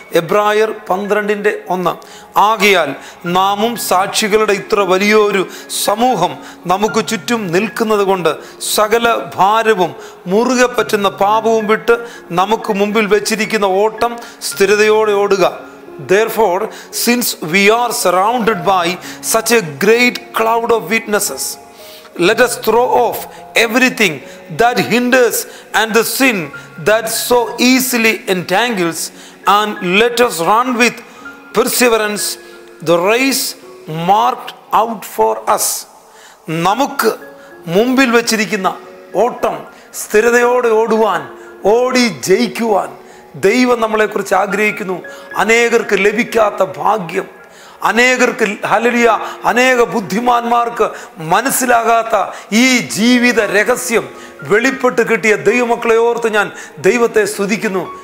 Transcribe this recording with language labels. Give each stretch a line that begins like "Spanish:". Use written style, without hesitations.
Malayalam: എബ്രായർ 12:1. ആകയാൽ നാമും സാക്ഷികളുടെ ഇത്ര വലിയൊരു സമൂഹം നമുക്ക് ചുറ്റും നിൽക്കുന്നത് കൊണ്ട് സകല ഭാരവും മുറുകെ പറ്റുന്ന പാപവും വിട്ട് നമുക്ക് മുമ്പിൽ വെച്ചിരിക്കുന്ന ഓട്ടം സ്ഥിരതയോടെ ഓടുക.
English: Therefore, since we are surrounded by such a great cloud of witnesses, let us throw off everything that hinders and the sin that so easily entangles, and let us run with perseverance the race marked out for us.
Malayalam: നമുക്ക് മുമ്പിൽ വെച്ചിരിക്കുന്ന ഓട്ടം സ്ഥിരതയോടെ ഓടുവാൻ, ഓടി ജയിക്കുവാൻ ദൈവം നമ്മളെക്കുറിച്ച് ആഗ്രഹിക്കുന്നു. അനേകർക്ക് ലഭിക്കാത്ത ഭാഗ്യം, അനേകർക്ക് ഹല്ലേലൂയ, അനേക ബുദ്ധിമാന്മാർക്ക് മനസ്സിലാകാത്ത ഈ ജീവിത രഹസ്യം വെളിപ്പെട്ട് കിട്ടിയ ദൈവമക്കളെ ഓർത്ത് ഞാൻ ദൈവത്തെ സ്തുതിക്കുന്നു.